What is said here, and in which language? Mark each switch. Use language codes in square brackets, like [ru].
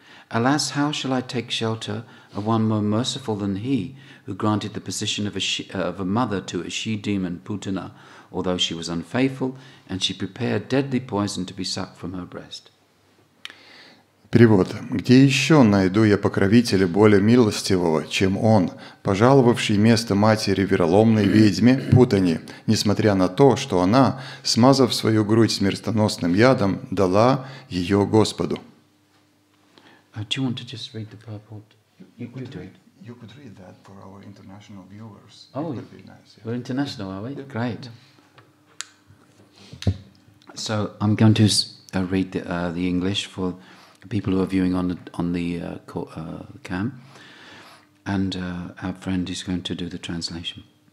[en] Alas, how shall I take shelter of one more merciful than he who granted the position of a mother to a she-demon, Putana, although she was unfaithful, and she prepared deadly poison to be sucked from her breast. [ru] Перевод. Где еще найду я покровителя более милостивого, чем он, пожаловавший место матери вероломной ведьме Путани, несмотря на то, что она, смазав свою грудь смертоносным ядом, дала ее Господу? [en] Do you want to just read the purport? You could read that for our international viewers. Oh, it would be nice, yeah. We're international, are we? Yeah. Great. Yeah. So I'm going to read the English for people who are viewing on the cam, and our friend is going to do the translation.